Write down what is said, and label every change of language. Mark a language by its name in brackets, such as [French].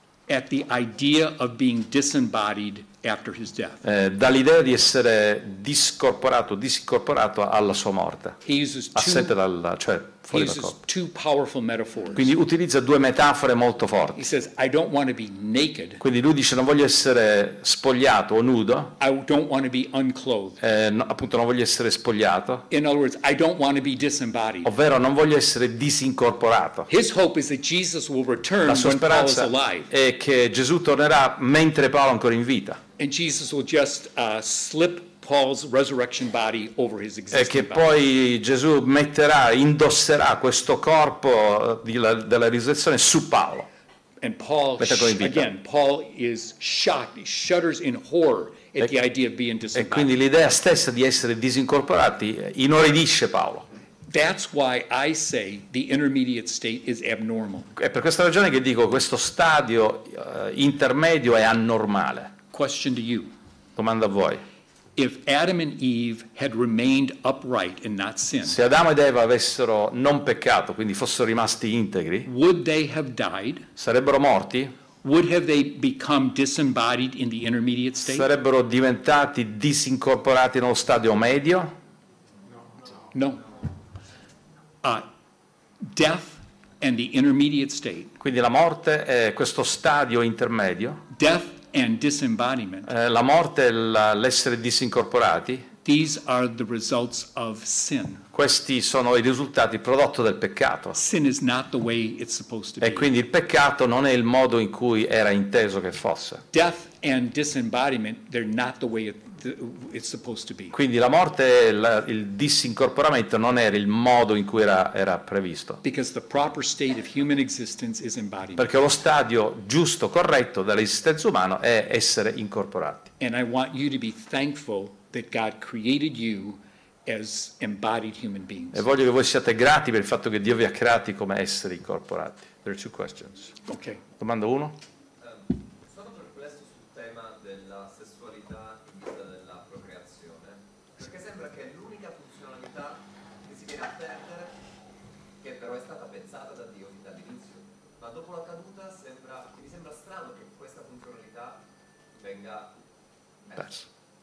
[English] at the idea of being disembodied after his death. [Italian] Dall'idea di essere disincorporato alla sua morte. [English] He uses two powerful metaphors. [Italian] Quindi utilizza due metafore molto forti. [English] He says, I don't want to be naked. [Italian] Quindi lui dice non voglio essere spogliato o nudo. [English] I don't want to be unclothed. [Italian] No, appunto non voglio essere spogliato. [English] In other words, I don't want to be disembodied. [Italian] Ovvero non voglio essere disincorporato. [English] His hope is that Jesus will return when Paul is alive. [Italian] È che Gesù tornerà mentre Paolo è ancora in vita. [English] And Jesus will just slip Paul's resurrection body over his existing body. [Italian] E che poi Gesù indosserà questo corpo della risurrezione su Paolo. [English] And Paul, again, Paul is shocked, he shudders in horror at the idea of being disembodied. [Italian] E quindi l'idea stessa di essere disincorporati inorridisce Paolo. [English] That's why I say the intermediate state is abnormal. [Italian] È per questa ragione che dico questo stadio intermedio è anormale. [English] Question to you. [Italian] Domanda a voi. [English] If Adam and Eve had remained upright and not sinned, [Italian] se Adamo ed Eva avessero non peccato, quindi fossero rimasti integri, [English] would they have died? [Italian] Sarebbero morti? [English] Would have they become disembodied in the intermediate state? [Italian] Sarebbero diventati disincorporati nello stadio medio? [English] No. Death and the intermediate state. [Italian] Quindi la morte è questo stadio intermedio. [English] Death and disembodiment. [Italian] La morte e l'essere disincorporati. [English] These are the results of sin. [Italian] Questi sono i risultati prodotto del peccato. [English] Sin is not the way it's supposed to [Italian] be. E quindi il peccato non è il modo in cui era inteso che fosse. [English] Death and disembodiment, they're not the way it's supposed to be. [Italian] Quindi la morte e il disincorporamento non era il modo in cui era previsto. [English] Because the proper state of human existence is embodiment. [Italian] Perché lo stadio giusto, corretto dell'esistenza umana è essere incorporati. [English] And I want you to be thankful that God created you as embodied human beings. [Italian] E voglio che voi siate grati per il fatto che Dio vi ha creati come esseri incorporati. [English] There are two questions. Okay. [Italian] Domanda 1. Sono perplesso sul tema della sessualità in vista della procreazione, perché sembra che l'unica funzionalità che si viene a perdere, che però è stata pensata da Dio fin dall'inizio, ma dopo la caduta mi sembra strano che questa funzionalità venga persa.